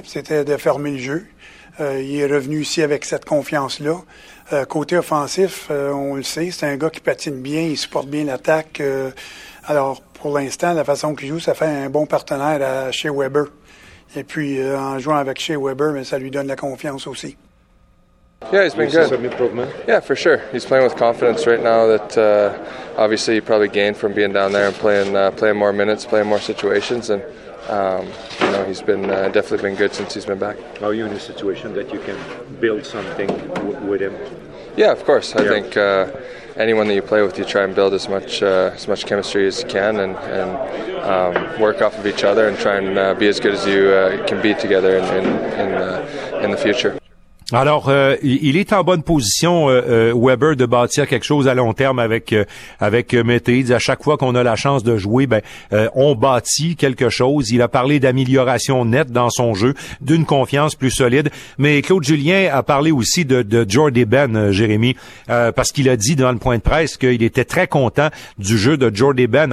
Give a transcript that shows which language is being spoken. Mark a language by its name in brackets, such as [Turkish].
[French] Puis c'était de fermer le jeu. Il est revenu ici avec cette confiance-là. Côté offensif, on le sait, c'est un gars qui patine bien, il supporte bien l'attaque. Alors, pour l'instant, la façon qu'il joue, ça fait un bon partenaire à Shea Weber. Et puis, en jouant avec Shea Weber, mais ça lui donne la confiance aussi. [English] Yeah, he's been good. Yeah, for sure. He's playing with confidence right now that obviously he probably gained from being down there and playing more minutes, playing more situations. And, you know, he's been definitely been good since he's been back. Are you in a situation that you can build something with him? Yeah, of course. I think anyone that you play with, you try and build as much chemistry as you can and work off of each other and try and be as good as you can be together in the future. [French] Alors, il est en bonne position, Weber, de bâtir quelque chose à long terme avec Mété. À chaque fois qu'on a la chance de jouer, on bâtit quelque chose. Il a parlé d'amélioration nette dans son jeu, d'une confiance plus solide. Mais Claude Julien a parlé aussi de Jordy Benn, Jérémy, parce qu'il a dit dans le point de presse qu'il était très content du jeu de Jordy Benn.